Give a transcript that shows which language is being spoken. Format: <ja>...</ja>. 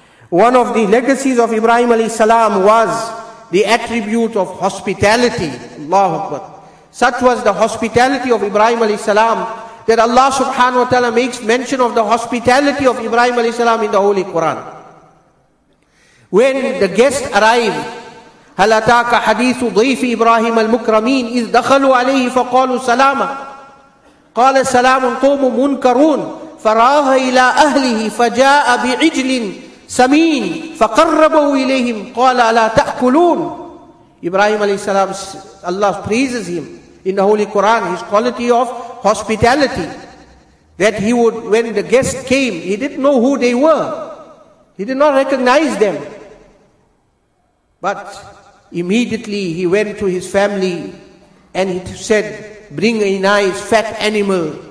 <en>One of the legacies of Ibrahim alayhi salam was the attribute of hospitality. Allahu Akbar. Such was the hospitality of Ibrahim alayhi salam that Allah subhanahu wa ta'ala makes mention of the hospitality of Ibrahim alayhi salam in the Holy Quran. When the guest arrived,</en> <ar>هل أتاك حديث ضيف إبراهيم المكرمين إذ دخلوا عليه فقالوا سلاما قال سلام قوم منكرون فراغ إلى أهله فجاء بعجل سمين فقربوا إليهم قال ألا تأكلون.</ar> <en>إبراهيم عليه السلام, Allah praises him in the Holy Quran, his quality of hospitality, that he would, when the guest came, he didn't know who they were, he did not recognize them, but immediately he went to his family and he said, bring a nice fat animal.</en>